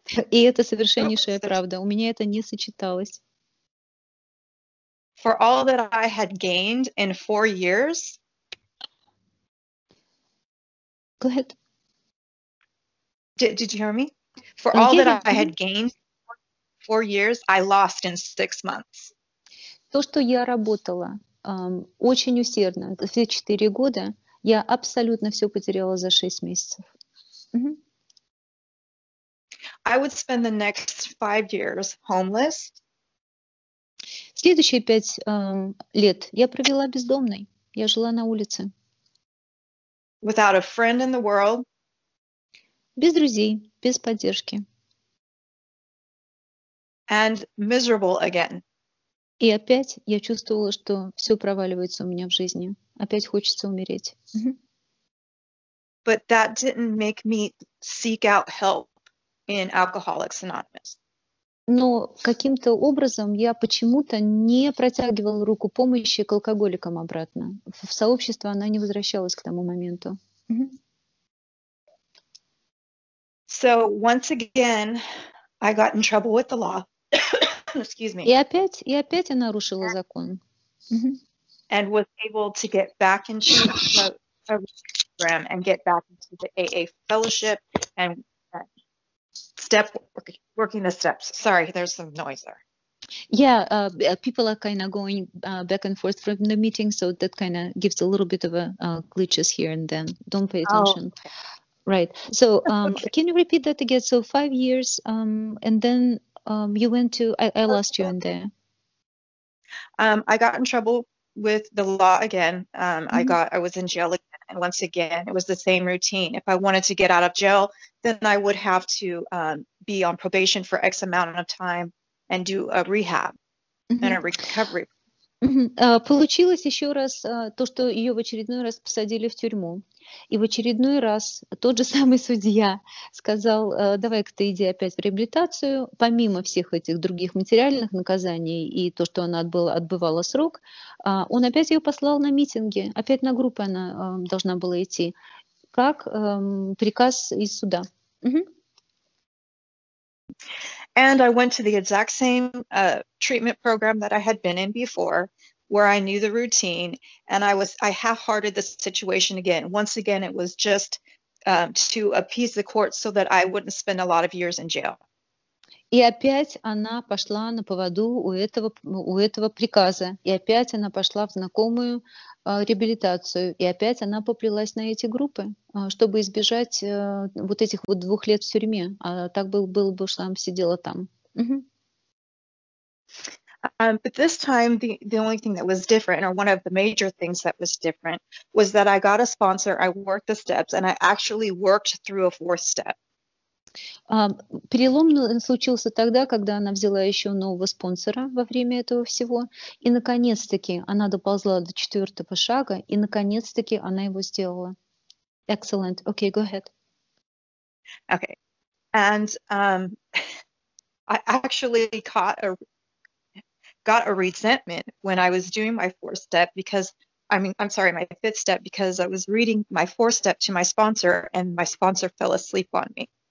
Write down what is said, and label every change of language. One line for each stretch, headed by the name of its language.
Russian: И это совершеннейшая правда. У меня это не сочеталось.
English: For all that I had gained in 4 years, go ahead. Did you hear me? For all that I had gained 4 years, I lost in 6 months.
Russian: То, что я работала очень усердно все 4 года, я абсолютно все потеряла за 6 месяцев.
English: I would spend the next 5 years homeless.
Russian: Следующие 5 лет я провела бездомной. Я жила на улице.
English: Without a friend in the world.
Russian: Без друзей, без поддержки.
English: And miserable again.
Russian: И опять я чувствовала, что все проваливается у меня в жизни. Опять хочется умереть.
English: But that didn't make me seek out help in Alcoholics Anonymous.
Russian: Но каким-то образом я почему-то не протягивала руку помощи к алкоголикам обратно. В сообщество она не возвращалась к тому моменту.
English: So once again, I got in trouble with the law. Excuse me.
Russian: И опять я нарушила закон.
English: And was able to get back into a program and get back into the AA fellowship and step working the steps. Sorry, there's some noise there. Yeah, people are kind of going back and forth from the meeting, so that kind of gives a little bit of a glitches here and then. Don't pay attention. Oh, okay. Right. So okay. Can you repeat that again? So 5 years and then you went to, I lost you in there. I got in trouble with the law again. I was in jail again. And once again, it was the same routine. If I wanted to get out of jail, then I would have to be on probation for X amount of time and do a rehab and a recovery.
Russian: Получилось еще раз то, что ее в очередной раз посадили в тюрьму. И в очередной раз тот же самый судья сказал, давай-ка ты иди опять в реабилитацию, помимо всех этих других материальных наказаний и то, что она отбывала срок, он опять ее послал на митинги, опять на группы она должна была идти, как приказ из суда.
English: And I went to the exact same treatment program that I had been in before, where I knew the routine, and I half-hearted the situation again. Once again, it was just to appease the court so that I wouldn't spend a lot of years in jail.
Russian: И опять она пошла на поводу у этого приказа, и опять она пошла в знакомую реабилитацию, и опять она поплелась на эти группы, чтобы избежать вот этих вот 2 лет в тюрьме, а так было бы, что она сидела там.
English: But this time, the only thing that was different, or one of the major things that was different, was that I got a sponsor, I worked the steps, and I actually worked through a 4th step.
Russian: Перелом случился тогда, когда она взяла еще нового спонсора во время этого всего, и наконец-таки она доползла до 4-го шага, и наконец-таки она его сделала.
English: Excellent. Okay, go ahead. Okay. And I actually got a resentment when I was doing my 4th step because, I mean, I'm sorry, my 5th step, because I was reading my 4th step to my sponsor and my sponsor fell asleep on me.